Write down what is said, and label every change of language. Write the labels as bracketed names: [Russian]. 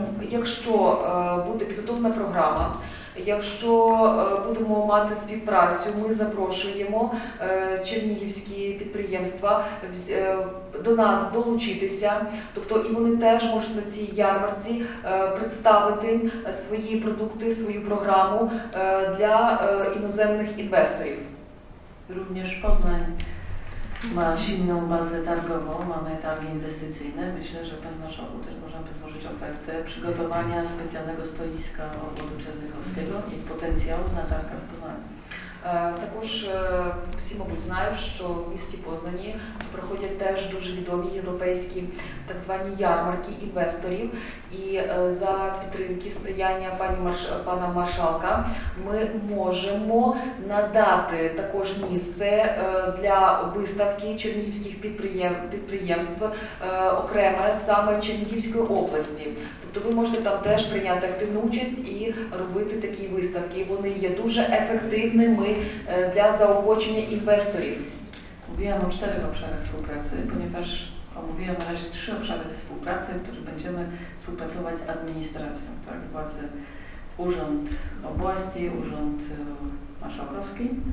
[Ukrainian] Якщо буде підготовлена програма, якщо будемо мати співпрацю, ми запрошуємо чернігівські підприємства до нас долучитися, тобто і вони теж можуть на цій ярмарці представити свої продукти, свою програму для іноземних інвесторів. [Polish] Również Poznań ma silną bazę targową, mamy targi inwestycyjne. Myślę, że pan marszałku też możemy złożyć ofertę przygotowania specjalnego stoiska obwodu czernichowskiego i potencjału na targach w Poznaniu. [Ukrainian] Також всі, мабуть, знають, що в місті Познані проходять теж дуже відомі європейські так звані ярмарки інвесторів. І за підтримки сприяння пана маршалка ми можемо надати також місце для виставки чернігівських підприємств окремо саме Чернігівської області. То ви можете там теж прийняти активну участь і робити такі виставки. Вони є дуже ефективними для заохочення інвесторів. [Polish] Mówiłam o czterech obszarach współpracy, ponieważ omówiłam na razie trzy obszary współpracy, w których będziemy współpracować z administracją, tak? Władze, urząd oblasti, urząd marszałkowski.